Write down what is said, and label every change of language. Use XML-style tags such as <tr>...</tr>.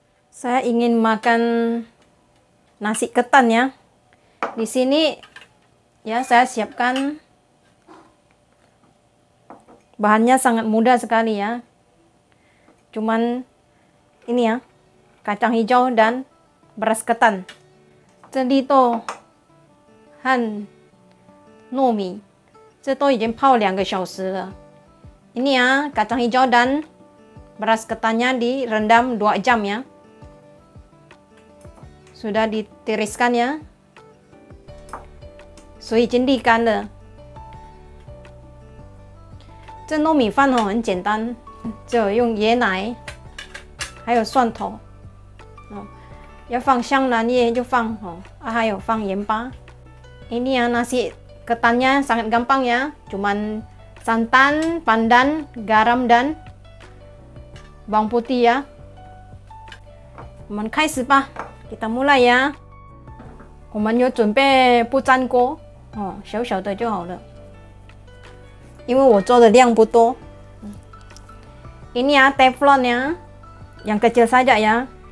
<id>Saya ingin makan nasi ketan ya. Di sini ya saya siapkan bahannya sangat mudah sekali ya. Cuman ini ya, kacang hijau dan beras ketan.</id> <zh>这里都和糯米，这都已经泡两个小时了。</zh> <id>Ini ya, kacang hijau dan beras ketannya direndam 2 jam ya. Sudah ditiriskan ya.</id> <zh>So, 已经沥干了。这糯米饭哦很简单，只有用椰奶，还有蒜头。要放香兰叶就放哦，啊还有放盐巴。</zh> <id>Ini ya nasi ketannya sangat gampang ya, cuman santan, pandan, garam dan bawang putih ya. Mulai</id> <zh>开始吧</zh> <id>，kita mulai ya.</id> <zh>我们有准备不粘锅哦，小小的就好了，因为我做的量不多。</zh> <id>Ini ya teflon ya, yang kecil saja ya.</id>